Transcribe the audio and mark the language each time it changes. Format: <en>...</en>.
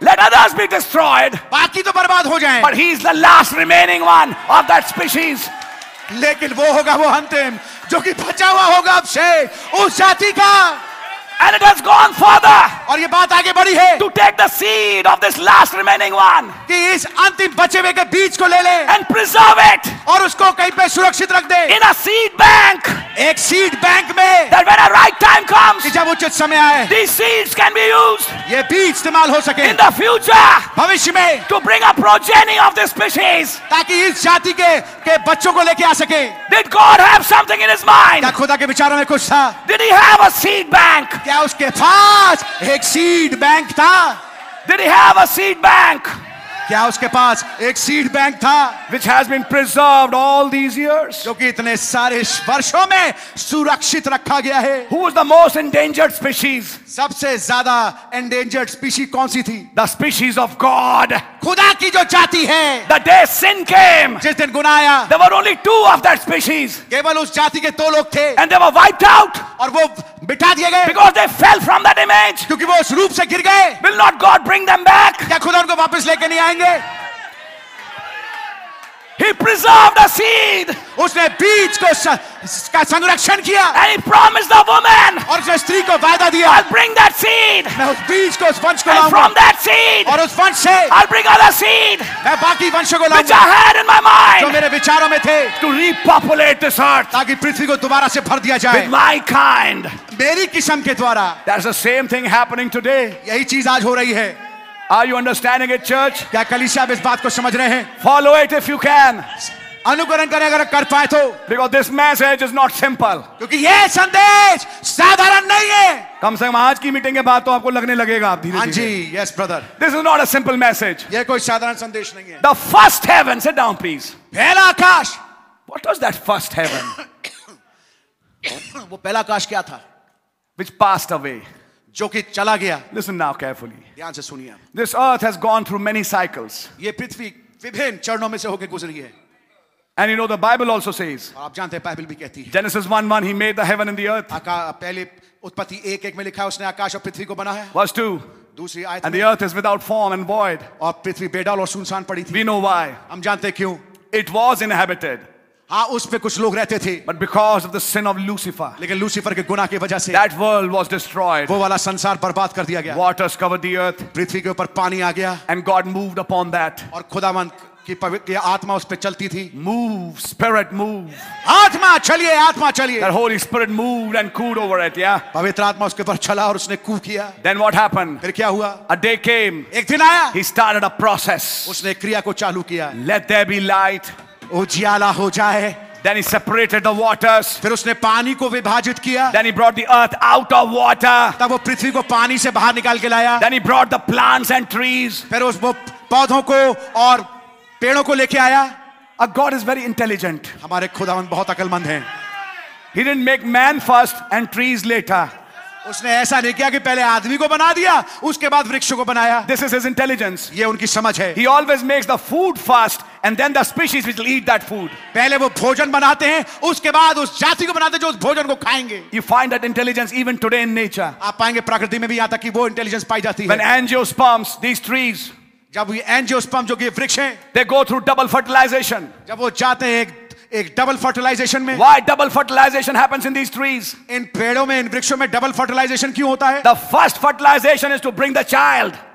<en>Let others be destroyed.</en> <hi>बाकी तो बर्बाद हो जाएं.</hi> <en>But he is the last remaining one of that species.</en> <hi>लेकिन वो होगा वो अंतिम जो कि बचा हुआ होगा अब से उस जाति का.</hi> <en>And it has gone further.</en> <hi>और ये बात आगे बढ़ी है.</hi> <en>To take the seed of this last remaining one.</en> <hi>कि इस अंतिम बचे हुए के बीज को ले ले.</hi> <en>And preserve it.</en> <hi>और उसको कहीं पे सुरक्षित रख दे.</hi> <en>In a seed bank.</en> <hi>एक seed bank में.</hi> <en>That when a right time comes.</en> <hi>कि जब उचित समय आए.</hi> <en>These seeds can be used.</en> <hi>ये बीज इस्तेमाल हो सके.</hi> <en>In the future.</en> <hi>भविष्य में.</hi> <en>To bring a progeny of this species.</en> <hi>ताकि इस जाति के बच्चों को लेके आ सके.</hi> <en>Did God have something in his mind?</en> <hi>क्या खुदा के विचारों में कुछ था?</hi> <en>Did he have a seed bank?</en> <hi>क्या उसके पास एक सीड बैंक था?</hi> <en>Did he have a seed bank?</en> <hi>क्या उसके पास एक सीड बैंक था?</hi> <en>Which has been preserved all these years?</en> <hi>जो कि इतने सारे वर्षों में सुरक्षित रखा गया है.</hi> <en>Who was the most endangered species?</en> <hi>सबसे ज्यादा endangered species कौन सी थी?</hi> <en>The species of God.</en> <hi>खुदा की जो जाति है.</hi> <en>The day sin came.</en> <hi>जिस दिन गुनाह आया.</hi> <en>There were only two of that species.</en> <hi>केवल उस जाति के दो लोग थे.</hi> <en>And they were wiped out.</en> <hi>और वो बिठा दिए गए.</hi> <en>Because they fell from that image.</en> <hi>क्योंकि वो उस रूप से गिर गए.</hi> <en>Will not God bring them back?</en> <hi>क्या खुदा उनको वापस लेके नहीं आएंगे?</hi> <en>He preserved the seed.</en> <hi>उसने बीज को का संरक्षण किया.</hi> <en>And he promised the woman.</en> <hi>और उसने स्त्री को वादा दिया.</hi> <en>I'll bring that seed.</en> <hi>मैं उस बीज को उस वंश को लाऊंगा.</hi> <en>And from that seed.</en> <hi>और उस वंश से.</hi> <en>I'll bring other seed.</en> <hi>मैं बाकी वंशों को लाऊंगा.</hi> <en>Which I had in my mind.</en> <hi>जो मेरे विचारों में थे.</hi> <en>To repopulate this earth.</en> <hi>ताकि पृथ्वी को दोबारा से भर दिया जाए.</hi> <en>With my kind.</en> <hi>मेरी किस्म के द्वारा.</hi> <en>That's the same thing happening today.</en> <hi>यही चीज आज हो रही है.</hi> <en>Are you understanding it, church?</en> <hi>क्या कलीसिया इस बात को समझ रहे हैं?</hi> <en>Follow it if you can.</en> <hi>अनुकरण करें अगर कर पाए तो.</hi> <en>Because this message is not simple.</en> <hi>क्योंकि ये संदेश साधारण नहीं है. कम से कम आज की मीटिंग के बाद तो आपको लगने लगेगा आप धीरे-धीरे. हाँ जी,</hi> <en>yes brother. This is not a simple message.</en> <hi>ये कोई साधारण संदेश नहीं है.</hi> <en>The first heaven, sit down please.</en> <hi>पहला आकाश.</hi> <en>What was that first heaven?</en> <hi>वो पहला आकाश क्या था?</hi> <en>Which passed away.</en> <hi>जो कि चला गया.</hi> <en>Listen now carefully.</en> <hi>ध्यान से सुनिए.</hi> <en>This earth has gone through many cycles.</en> <hi>ये पृथ्वी विभिन्न चरणों में से होकर गुजरी है.</hi> <en>And you know the Bible also says.</en> <hi>आप जानते हैं बाइबल भी कहती है.</hi> <en>Genesis 1:1 he made the heaven and the earth.</en> <hi>पहले उत्पत्ति 1:1 में लिखा है उसने आकाश और पृथ्वी को बनाया.</hi> <en>Verse 2.</en> <hi>दूसरी आयत.</hi> <en>And the earth is without form and void.</en> <hi>और पृथ्वी बेडाल और सुनसान पड़ी थी.</hi> <en>We know why.</en> <hi>हम जानते क्यों.</hi> <en>It was inhabited.</en> <hi>हाँ, उस पे कुछ लोग रहते थे.</hi> <en>But because of the sin of Lucifer,</en> <hi>लेकिन लूसीफर के गुनाह की वजह से,</hi> <en>that world was destroyed.</en> <hi>वो वाला संसार बर्बाद कर दिया गया.</hi> <en>Waters covered the earth.</en> <hi>पृथ्वी के ऊपर पानी आ गया.</hi> <en>And God moved upon that.</en> <hi>और खुदावंत की पवित्र आत्मा उस पे चलती थी.</hi> <en>Move, Spirit, move.</en> <hi>आत्मा चलिए, आत्मा चलिए.</hi> <en>That Holy Spirit moved and cooed over it, yeah.</en> <hi>पवित्र आत्मा उसके ऊपर चला और उसने कू किया.</hi> <en>Then what happened?</en> <hi>फिर क्या हुआ?</hi> <en>A day came.</en> <hi>एक दिन आया.</hi> <en>He started a process.</en> <hi>उसने क्रिया को चालू किया.</hi> <en>Let there be light.</en> <hi>उजियाला हो जाए.</hi> <en>Then he separated the waters.</en> <hi>फिर उसने पानी को विभाजित किया.</hi> <en>Then he brought the earth out of water.</en> <hi>तब वो पृथ्वी को पानी से बाहर निकाल के लाया.</hi> <en>Then he brought the plants and trees.</en> <hi>फिर उस वो पौधों को और पेड़ों को लेके आया.</hi> <en>A God is very intelligent.</en> <hi>हमारे खुदावंद बहुत अकलमंद हैं.</hi> <en>He didn't make man first and trees later.</en> <hi>उसने ऐसा नहीं किया कि पहले आदमी को बना दिया उसके बाद वृक्षों को बनाया.</hi> <en>This is his intelligence.</en> <hi>ये उनकी समझ है.</hi> <en>He always makes the food first and then the species which will eat that food.</en> <hi>पहले वो भोजन बनाते हैं उसके बाद उस जाति को बनाते हैं जो उस भोजन को खाएंगे.</hi> <en>You find that intelligence even today in nature.</en> <hi>आप पाएंगे प्रकृति में भी यहां तक कि वो इंटेलिजेंस पाई जाती है.</hi> <en>When angiosperms, these trees,</en> <hi>जब ये एंजियोस्पर्म जो कि वृक्ष हैं,</hi> <en>they go through double fertilization.</en> <hi>जब वो जाते हैं एक डबल फर्टिलाइजेशन में.</hi> <en>Why double fertilization happens in these trees?</en> <hi>इन पेड़ों में, इन वृक्षों में डबल फर्टिलाइजेशन क्यों होता है?</hi> <en>The first fertilization is to bring the child.</en>